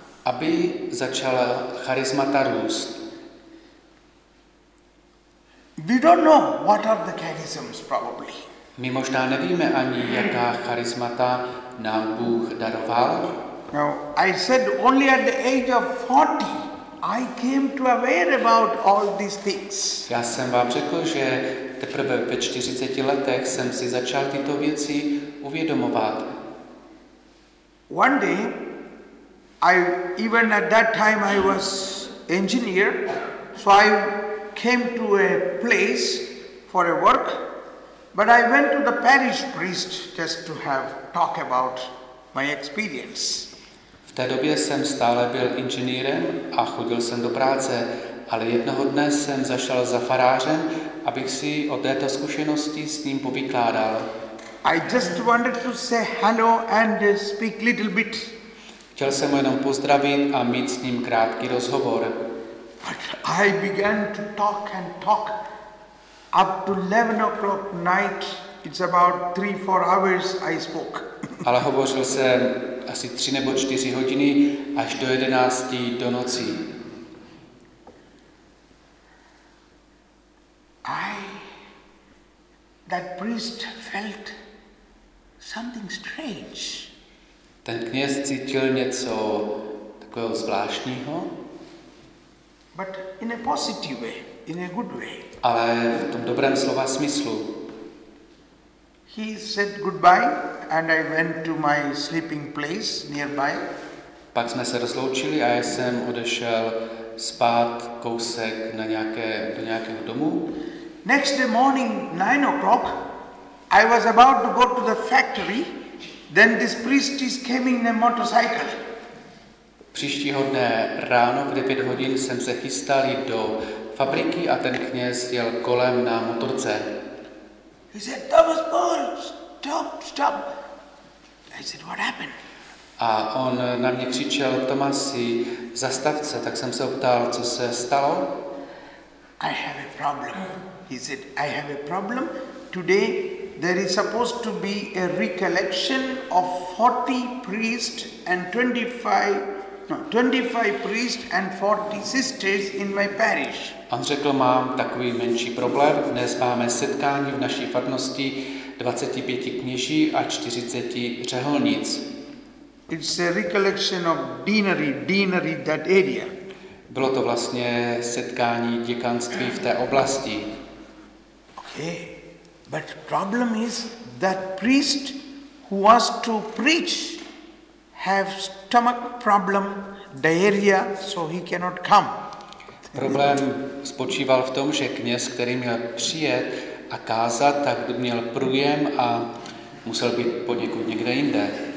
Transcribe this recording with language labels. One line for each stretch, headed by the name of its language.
Czech: Aby začala charismata růst.
English: We don't know what are the charisms probably.
Czech: My možná nevíme ani, jaká charismata nám Bůh daroval.
English: Now, I said only at the age of 40 I came to aware about all these things.
Czech: Já jsem vám řekl, že teprve ve 40 letech jsem si začal tyto věci uvědomovat.
English: One day, I even at that time I was engineer, so I came to a place for a work, but I went to the parish priest just to have talk about my experience.
Czech: V té době jsem stále byl inženýrem a chodil jsem do práce, ale jednoho dne jsem zašel za farářem, abych si o této zkušenosti s ním povykládal.
English: I just wanted to say hello and speak little bit.
Czech: Chtěl jsem jenom pozdravit a mít s ním krátký rozhovor.
English: But I began to talk and talk up to 11 o'clock night. It's about 3-4 hours I spoke.
Czech: Ale hovořil jsem asi 3 nebo 4 hodiny až do 11 do noci.
English: That priest felt something strange.
Czech: Ten kněz cítil něco takového zvláštního.
English: But in a positive way, in a good way.
Czech: Ale v tom dobrém slova smyslu.
English: He said goodbye and I went to my sleeping place nearby.
Czech: Pak jsme se rozloučili a já jsem odešel spát kousek na nějaké, do nějakého domu.
English: Next morning, 9 o'clock, I was about to go to the factory, then this priest is coming in a motorcycle.
Czech: Příštího dne ráno v 9 hodin jsem se chystal jít do fabriky a ten kněz jel kolem na motorce.
English: He said, Thomas Paul, stop, stop. I said, what happened?
Czech: A on na mě křičel, Tomasi, zastav se, tak jsem se optal, co se stalo.
English: I have a problem. He said, I have a problem. Today there is supposed to be a recollection of 40 priests and 25 priests and 40 sisters in my parish.
Czech: On řekl, mám takový menší problém. Dnes máme setkání v naší farnosti 25 kněží a 40 řeholnic.
English: It's a recollection of deanery that area.
Czech: Bylo to vlastně setkání děkanství v té oblasti.
English: Okay. But problem is that priest who was to preach have stomach problem, diarrhea, so he cannot come.
Czech: Problém spočíval v tom, že kněz, který měl přijet a kázat, tak měl průjem a musel být poněkud někde jinde.